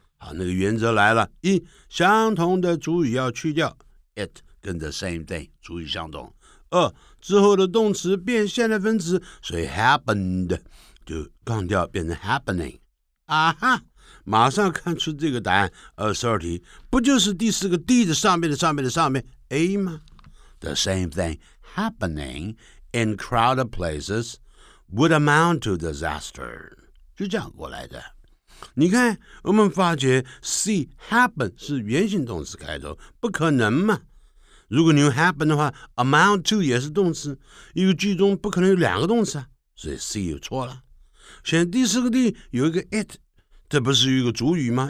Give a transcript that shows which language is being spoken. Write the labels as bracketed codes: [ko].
[zh] 好，那个原则来了：一，相同的主语要去掉 it， 跟 [en] the same thing [zh] 主语相同；二，之后的动词变现在分词，所以 happened。就杠掉变成 happening 啊哈，马上看出这个答案。 22题不就是第四个 D 的上面的上面的上面 A 吗？ [en] The same thing happening in crowded places would amount to disaster， [zh] 就这样过来的。你看我们发觉 C happen 是原形动词开头，不可能嘛。如果你用 happen 的话， amount to 也是动词，一个句中不可能有两个动词啊，所以 C 又错了。选第四个地有一个 it， 这不是有一个主语吗？